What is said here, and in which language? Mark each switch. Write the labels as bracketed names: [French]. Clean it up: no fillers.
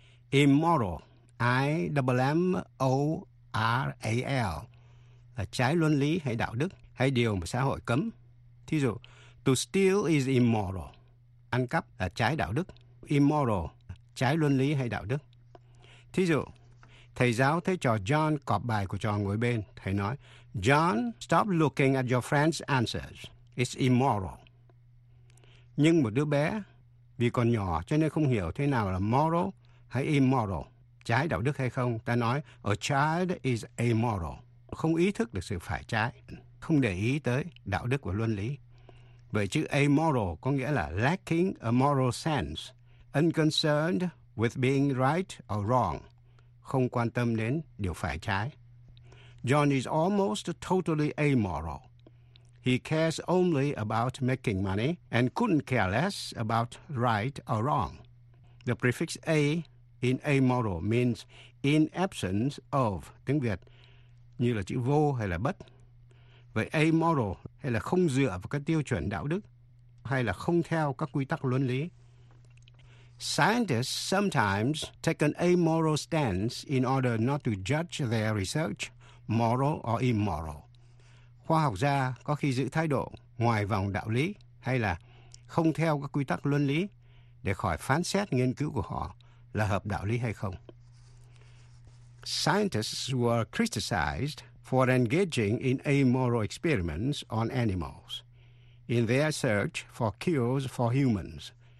[Vietnamese] Immoral, I-M-M-O-R-A-L, là trái luân lý hay đạo đức hay điều mà xã hội cấm. Thí dụ, [English] to steal is immoral. [Vietnamese] Ăn cắp là trái đạo đức. Immoral, trái luân lý hay đạo đức. Thí dụ, thầy giáo thấy trò John cọp bài của trò ngồi bên. Thầy nói, [English] John, stop looking at your friend's answers. It's immoral. [Vietnamese] Nhưng một đứa bé, vì còn nhỏ cho nên không hiểu thế nào là moral hay immoral, trái đạo đức hay không. Ta nói, [English] a child is amoral. [Vietnamese] Không ý thức được sự phải trái, không để ý tới đạo đức và luân lý. Vậy chữ amoral có nghĩa là [English] lacking a moral sense, unconcerned with being right or wrong, [Vietnamese] không quan tâm đến điều phải trái. [English] John is almost totally amoral. He cares only about making money and couldn't care less about right or wrong. The prefix a in amoral means in absence of, [Vietnamese] tiếng Việt, như là chữ vô hay là bất. Vậy amoral hay là không dựa vào các tiêu chuẩn đạo đức hay là không theo các quy tắc luân lý. [English] Scientists sometimes take an amoral stance in order not to judge their research, moral or immoral. [Vietnamese] Khoa học gia có khi giữ thái độ ngoài vòng đạo lý hay là không theo các quy tắc luân lý để khỏi phán xét nghiên cứu của họ là hợp đạo lý hay không. [English] Scientists were criticized for engaging in amoral experiments on animals in their search for cures for humans.